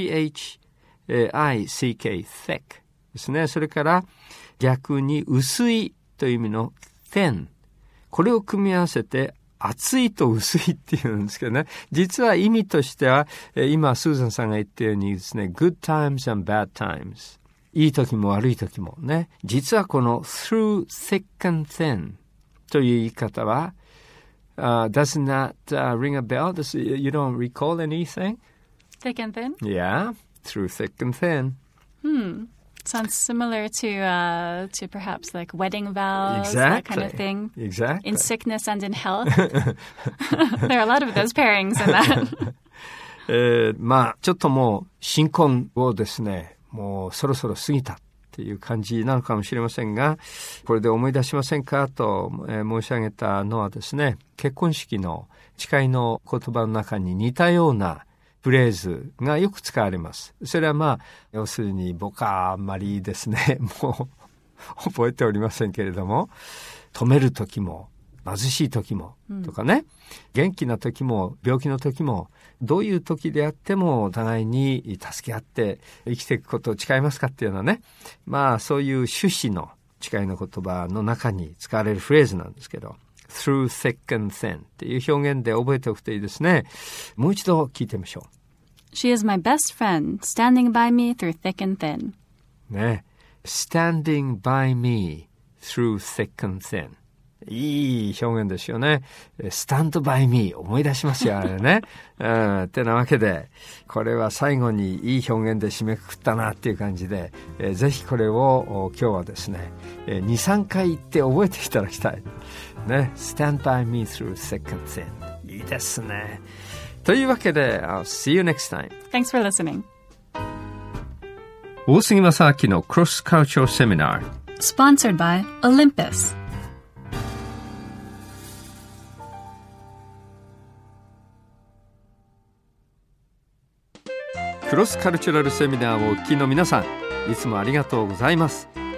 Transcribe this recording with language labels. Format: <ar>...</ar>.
<en>T-H-I-C-K, thick</en> <ja>ですね。それから逆に薄いという意味の thin。これを組み合わせて厚いと薄いっていうんですけどね。実は意味としては、今スーザンさんが言ったようにですね、</ja> <en>good times and bad times。</en> <ja>いい時も悪い時もね。実はこの</ja> <en>through thick and thin</en> <ja>という言い方は、</ja> <en>doesn't that ring a bell? You don't recall anything? Thick and thin? Yeah, through thick and thin. Sounds similar to perhaps like wedding vows, exactly. That kind of thing. Exactly. In sickness and in health. There are a lot of those pairings in that.</en> <ja>まあ、ちょっともう新婚をですね、もうそろそろ過ぎたっていう感じなのかもしれませんが、これで思い出しませんかと申し上げたのはですね、結婚式の誓いの言葉の中に似たようなフレーズがよく使われます。それはまあ、要するに僕はあんまりですね、もう覚えておりませんけれども、止める時も、貧しい時も、とかね、元気な時も、病気の時も、どういう時であっても、お互いに助け合って生きていくことを誓いますかっていうのはね、まあ、そういう趣旨の誓いの言葉の中に使われるフレーズなんですけど、</ja> <en>Through thick and thin</en> <ja>っていう表現で覚えておくといいですね。もう一度聞いてみましょう。</ja> <en>She is my best friend, standing by me through thick and thin.</en> <ja>ね。</ja> <en>Standing by me through thick and thin.</en> <ja>いい表現ですよね。</ja> <en>Stand by me</en> <ja>思い出しますよ、あれね。ってなわけで、これは最後にいい表現で締めくくったなっていう感じで、ぜひこれを今日はですね、2、3回言って覚えていただきたい。</ja> <en>ね、Stand by me through thick and thin.</en> <ja>いいですね。というわけで、</ja> <en>I'll see you next time. Thanks for listening.</en> <ja>大杉正明のクロスカルチャーセミナー。</ja> <en>Sponsored by Olympus.</en> <ja>クロスカルチャルセミナーをお聞きの皆さん、いつもありがとうございます。</ja>